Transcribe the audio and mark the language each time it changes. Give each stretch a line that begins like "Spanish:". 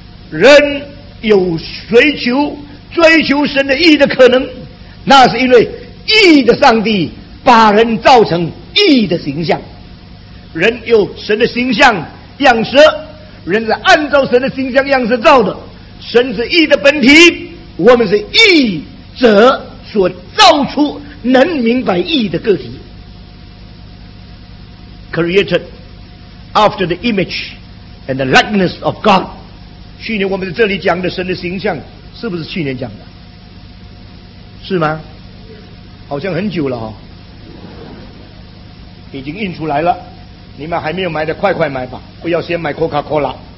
Chinese: 人有追求神的义的可能，那是因为义的上帝把人造成义的形象。人有神的形象样式，人是按照神的形象样式造的。神是义的本体，我们是义者所造出能明白义的个体。
English: Created after the image and the likeness of God。
Chinese: 去年我们在这里讲的神的形象，是不是去年讲的？是吗？好像很久了哦，已经印出来了，你们还没有买的快快买吧，不要先买 Coca-Cola。